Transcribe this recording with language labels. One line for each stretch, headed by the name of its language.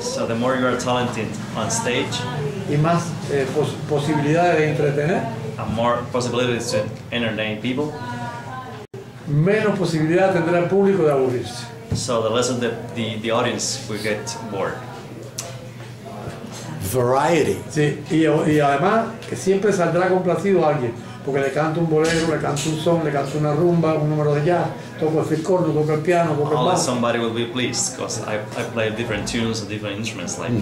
English: So the more you are talented on stage.
Spanish: Y más posibilidades de entretener.
English: And more possibilities to entertain people.
Spanish: Menos posibilidad tendrá el público de aburrirse.
English: So the less the audience will get bored. Variety.
Spanish: Sí, y además que siempre saldrá complacido a alguien. Porque le canto un bolero, le canto un son, le canto una rumba, un número de jazz, toco el corno, toco el piano, toco el bajo.
English: Somebody will be pleased, because I play different tunes and different instruments, like mm-hmm.